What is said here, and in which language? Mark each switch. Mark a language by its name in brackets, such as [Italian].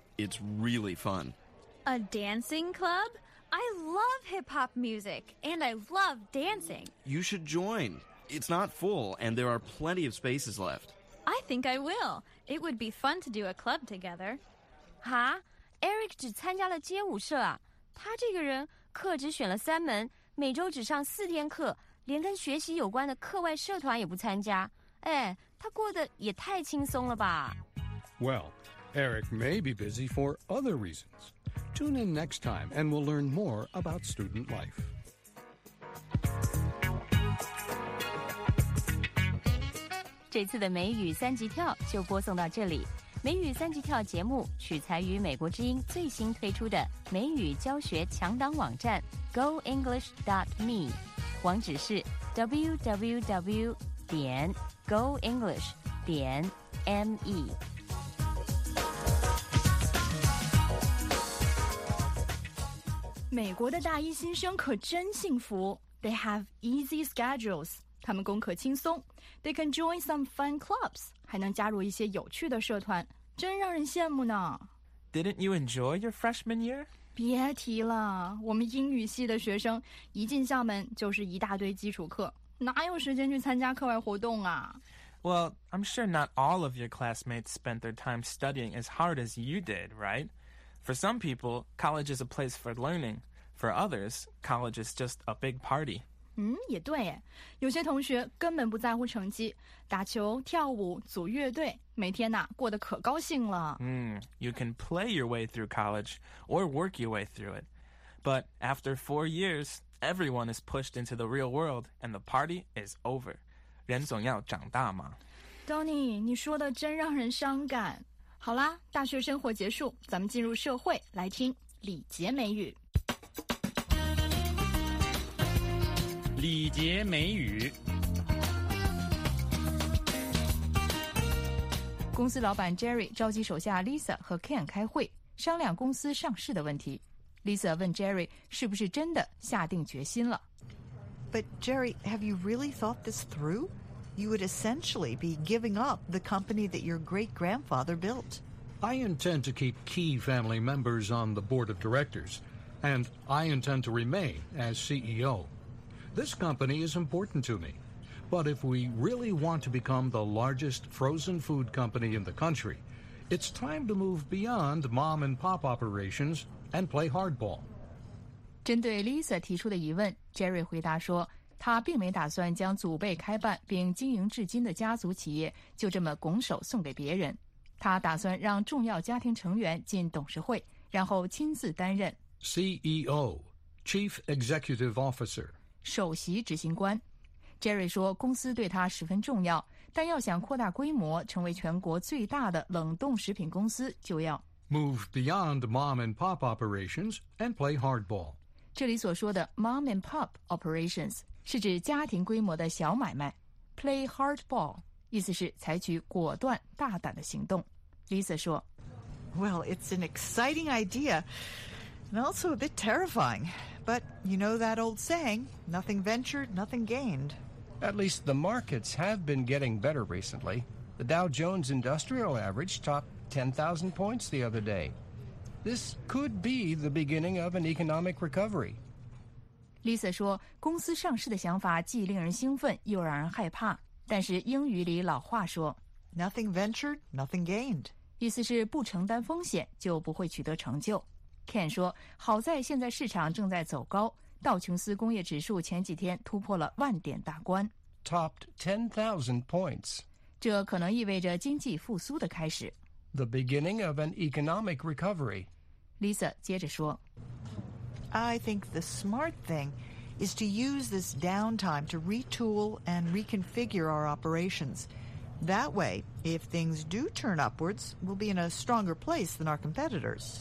[English] It's really fun. A dancing club? I love hip-hop music, and I love dancing. You should join. It's not full, and there are plenty of spaces left. I think I will. It would be fun to do a club together. [Chinese] 哈?Eric 只参加了街舞社啊。他这个人课只选了三门，每周只上四天课，连跟学习有关的课外社团也不参加。哎，他过得也太轻松了吧。 [English] Well, Eric may be busy for other reasons. Tune in next time, and we'll learn more about student life. [Chinese] This 次的美语三级跳就播送到这里。美语三级跳节目取材于美国之音最新推出的美语教学强档网站 GoEnglish.me， 网址是 www.goenglish.me。美国的大一新生可真幸福。 [English] They have easy schedules. [Chinese] 他们功课轻松。 [English] They can join some fun clubs. [Chinese] 还能加入一些有趣的社团。真让人羡慕呢。 [English] Didn't you enjoy your freshman year? [Chinese] 别提了。我们英语系的学生一进校门就是一大堆基础课。哪有时间去参加课外活动啊。 [English] Well, I'm sure not all of your classmates spent their time studying as hard as you did, right? For some people, college is a place for learning. For others, college is just a big party. [Chinese] 也对耶。有些同学根本不在乎成绩，打球、跳舞、组乐队，每天呐过得可高兴了。 [English] You can play your way through college or work your way through it. But after 4 years, everyone is pushed into the real world and the party is over. [Chinese] 人总要长大嘛。 Donny, 你说的真让人伤感。好啦，大学生活结束，咱们进入社会，来听李杰美语。李杰美语。公司老板 Jerry 召集手下 Lisa 和 Ken 开会，商量公司上市的问题。 Lisa 问 Jerry 是不是真的下定决心了。 [English] But Jerry, have you really thought this through? You would essentially be giving up the company that your great-grandfather built. I intend to keep key family members on the board of directors, and I intend to remain as CEO. This company is important to me, but if we really want to become the largest frozen food company in the country, it's time to move beyond mom-and-pop operations and play hardball. [Chinese] 针对 Lisa 提出的疑问 ，Jerry 回答说。他并没打算将祖辈开办并经营至今的家族企业就这么拱手送给别人。他打算让重要家庭成员进董事会，然后亲自担任 [English] CEO, Chief Executive Officer, [Chinese] 首席执行官。 Jerry 说公司对他十分重要，但要想扩大规模成为全国最大的冷冻食品公司就要 [English] Move beyond mom and pop operations and play hardball. [Chinese] 这里所说的 mom and pop operations,是指家庭规模的小买卖 ，play hardball， 意思是采取果断、大胆的行动。Lisa 说 [English] ：“Well, it's an exciting idea, and also a bit terrifying. But you know that old saying, nothing ventured, nothing gained. At least the markets have been getting better recently. The Dow Jones Industrial Average topped 10,000 points the other day. This could be the beginning of an economic recovery.” [Chinese] Lisa 说，公司上市的想法既令人兴奋又让人害怕。但是英语里老话说 [English] Nothing ventured, nothing gained. [Chinese] 意思是不承担风险就不会取得成就。Ken 说，好在现在市场正在走高，道琼斯工业指数前几天突破了万点大关。 [English] Topped 10,000 points. [Chinese] 这可能意味着经济复苏的开始。 [English] The beginning of an economic recovery. [Chinese] Lisa 接着说。 [English] I think the smart thing is to use this downtime to retool and reconfigure our operations. That way, if things do turn upwards, we'll be in a stronger place than our competitors.